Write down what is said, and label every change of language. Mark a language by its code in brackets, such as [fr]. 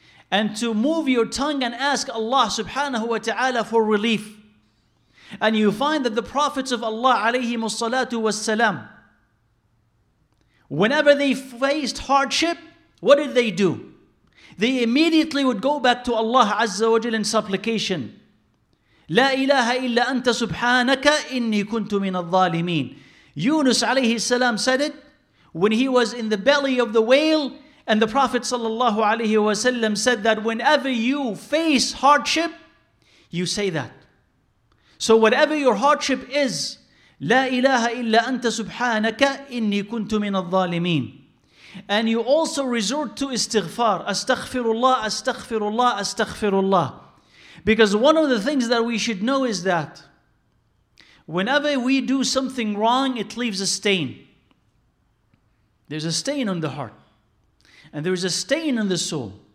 [en] And to move your tongue and ask Allah subhanahu wa ta'ala for relief. And you find that the prophets of Allah alayhi salatu wa salam, whenever they faced hardship, what did they do? They immediately would go back to Allah Azza wa Jal in supplication. [ar] لا إله إلا أنت سبحانك إني كنت من الظالمين. [en] Yunus alayhi salam said it when he was in the belly of the whale, and the Prophet sallallahu alayhi wa sallam said that whenever you face hardship, you say that. So whatever your hardship is, [ar] لا إله إلا أنت سبحانك إني كنت من الظالمين. [en] And you also resort to istighfar. Astaghfirullah, astaghfirullah, astaghfirullah. Because one of the things that we should know is that whenever we do something wrong, it leaves a stain. There's a stain on the heart. And there's a stain on the soul.